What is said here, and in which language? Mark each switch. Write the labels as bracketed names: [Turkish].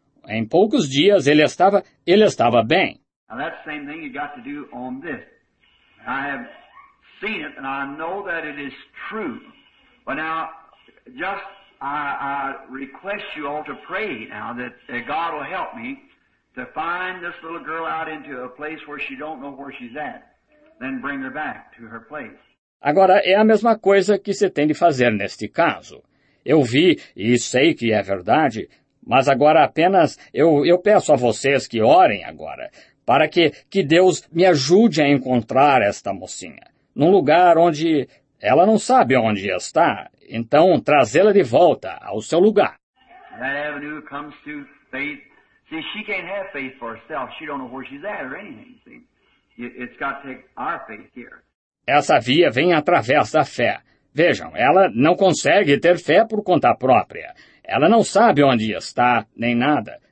[Portuguese] Em poucos dias ele estava bem. [English] Now that's the same thing you got to do on this. I have seen it and I know that it is true. But now, just I request you all to pray now that God will help me to find this little girl out into a place where she don't know where she's at. Then bring her back to her place. [Portuguese] Agora, é a mesma coisa que se tem de fazer neste caso. Eu vi e sei que é verdade, mas agora apenas eu peço a vocês que orem agora, para que Deus me ajude a encontrar esta mocinha, num lugar onde ela não sabe onde está, então trazê-la de volta ao seu lugar. [English] That avenue comes to faith. See, she can't have faith for herself. She don't know where she's at or anything. See, it's got to take our faith here. [Portuguese] Essa via vem através da fé. Vejam, ela não consegue ter fé por conta própria. Ela não sabe onde está, nem nada.